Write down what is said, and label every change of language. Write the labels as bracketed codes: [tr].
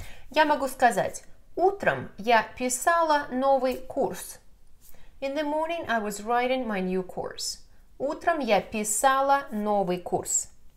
[ru] Я могу сказать, утром я писала новый курс. [en] In the morning I was writing my new course. [ru] Утром я писала новый курс.